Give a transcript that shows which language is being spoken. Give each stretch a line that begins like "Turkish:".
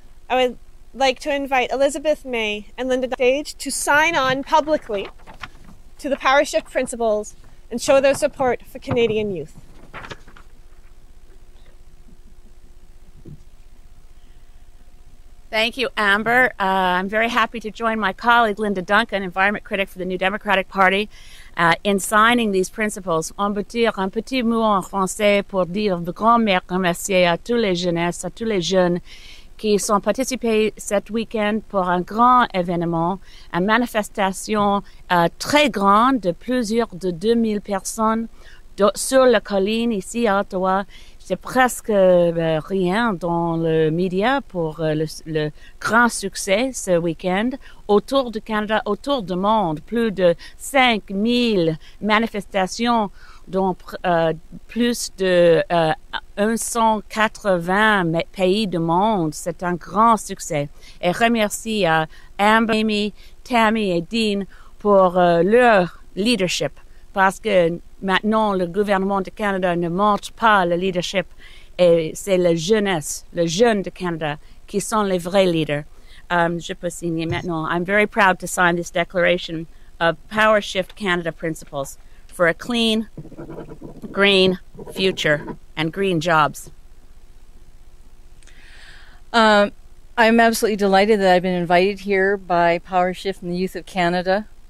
English: I would like to invite Elizabeth May and Linda Stage to sign on publicly to the PowerShift principles and show their support for Canadian youth. Thank you, Amber. I'm very happy to join my colleague, Linda Duncan, Environment Critic for the New Democratic Party, in signing these principles.
French: On peut dire un petit mot en français pour dire de grand merci à tous les jeunesses, à tous les jeunes qui sont participés cet week-end pour un grand événement, une manifestation très grande de plusieurs de 2000 personnes sur la colline ici à Ottawa. C'est presque rien dans le média pour le grand succès ce week-end. Autour du Canada, autour du monde, plus de 5000 manifestations, dont plus de 180 pays du monde. C'est un grand succès. Et remercie à Amber, Amy, Tammy et Dean pour leur leadership, parce que maintenant, le gouvernement du Canada ne montre pas le leadership et c'est la jeunesse, le jeune du Canada, qui sont les vrais leaders. Je peux signer maintenant.
English: I'm very proud to sign this declaration of PowerShift Canada principles for a clean, green future and green jobs. I'm absolutely delighted that I've been invited here by PowerShift and the Youth of Canada.